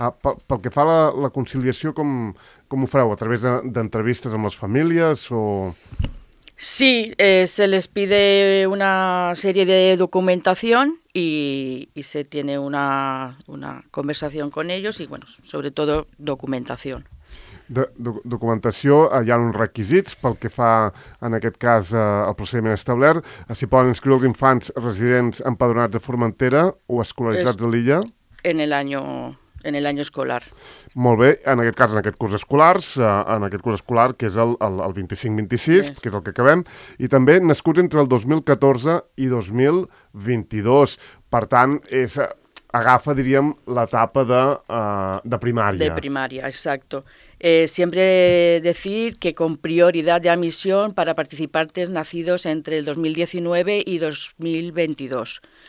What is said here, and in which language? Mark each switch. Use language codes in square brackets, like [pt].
[ca] Pel que fa a la conciliació, com ho fareu? A través d'entrevistes amb les famílies o...? [es] Sí, se les pide una serie de documentación y se tiene una conversación con ellos y, bueno, sobre todo documentación. [ca] Documentació, hi ha uns requisits pel que fa, en aquest cas, al procediment establert. Si poden inscriure els infants residents empadronats a Formentera o escolaritzats a l'illa? [es] En el año escolar. [ca] Molt bé, en aquest cas, en aquest curs escolar, que és el 25-26, que és el que acabem, i també nascuts entre el 2014 i 2022. Per tant, agafa, diríem, l'etapa de primària. De primària, [es] exacto. Siempre decir que con prioridad de admisión para participantes nacidos entre el 2019 y 2022.